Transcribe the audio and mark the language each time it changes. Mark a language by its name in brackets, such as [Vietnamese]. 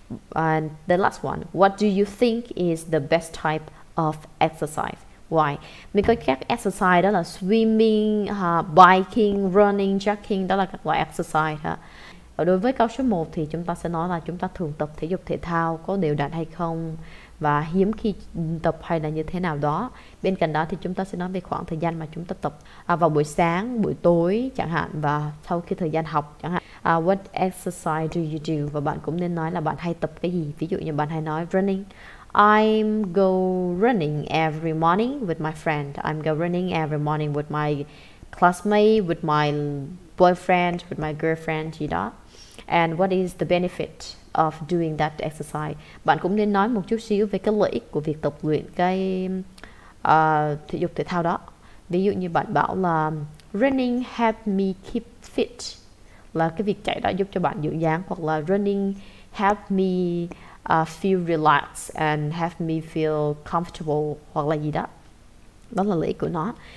[English] And the last one, what do you think is the best type of exercise? Why? [Vietnamese] Mình có các exercise đó là [English] swimming, biking, running, jogging, [Vietnamese] đó là các loại exercise ha. Và đối với câu số 1 thì chúng ta sẽ nói là chúng ta thường tập thể dục thể thao có đều đặn hay không, và hiếm khi tập hay là như thế nào đó. Bên cạnh đó thì chúng ta sẽ nói về khoảng thời gian mà chúng ta tập, vào buổi sáng, buổi tối chẳng hạn, và sau khi thời gian học chẳng hạn. [English] What exercise do you do? [Vietnamese] Và bạn cũng nên nói là bạn hay tập cái gì. Ví dụ như bạn hay nói running. [English] I'm go running every morning with my friend. I'm go running every morning with my classmate, with my boyfriend, with my girlfriend, [Vietnamese] gì đó. [English] And what is the benefit of doing that exercise? [Vietnamese] Bạn cũng nên nói một chút xíu về cái lợi ích của việc tập luyện cái thể dục thể thao đó. Ví dụ như bạn bảo là [English] running help me keep fit, [Vietnamese] là cái việc chạy đó giúp cho bạn giữ dáng, hoặc là [English] running help me feel relaxed and help me feel comfortable, [Vietnamese] hoặc là gì đó. Đó là lợi ích của nó.